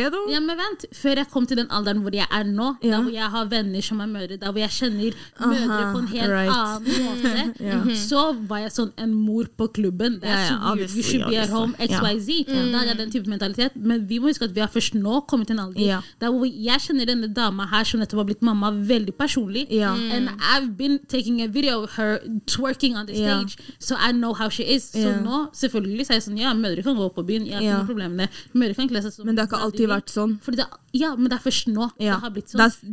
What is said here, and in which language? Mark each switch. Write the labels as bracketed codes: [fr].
[no] jeg, ja, men vent, før jeg kom til den alderen hvor jeg nå, da hvor jeg har venner som mødre, da hvor jeg kjenner mødre på en helt annen måte, så var jeg sånn en mor på klubben. Vi [en] should be at home, [no] XYZ. Da hadde jeg den type mentalitet. Men vi må huske at vi har først nå kommet til en alder. Da hvor jeg kjenner denne dama her som nettopp har blitt mamma veldig personlig. [en] And I've been taking a video of her twerking on the stage. So I know how she is. [no] Så nå, så selvfølgelig sier jeg sånn, ja, mødre kan gå på byen, jeg har ikke noe problem med det. Mødre kan ikke lese sånn. Men det har ikke alltid vært sånn. Fordi det, ja, men det først nå det har blitt sånn.